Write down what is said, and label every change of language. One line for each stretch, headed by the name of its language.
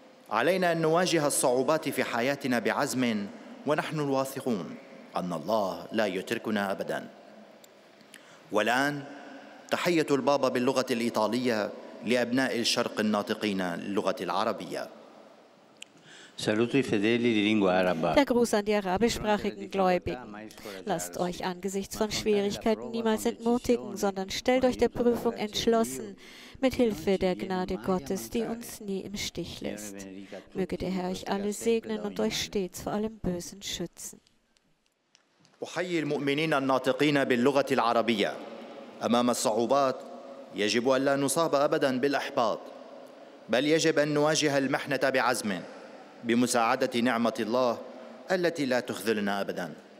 Arabic: علينا أن نواجه الصعوبات في حياتنا بعزم ونحن الواثقون أن الله لا يتركنا أبدا. والآن تحية البابا باللغة الإيطالية لأبناء الشرق الناطقين اللغة العربية.
Italian: Saluto i fedeli di lingua araba.
German: Der Gruß an die arabischsprachigen Gläubigen. Lasst euch angesichts von Schwierigkeiten niemals entmutigen, sondern stellt euch der Prüfung entschlossen, mit Hilfe der Gnade Gottes, die uns nie im Stich lässt. Möge der Herr euch alle segnen und euch stets vor allem Bösen schützen.
Arabic: أحيي المؤمنين الناطقين باللغة العربية. أمام الصعوبات يجب أن لا نصاب أبدا بالإحباط، بل يجب أن نواجه المحنة بعزم بمساعدة نعمة الله التي لا تخذلنا أبدا.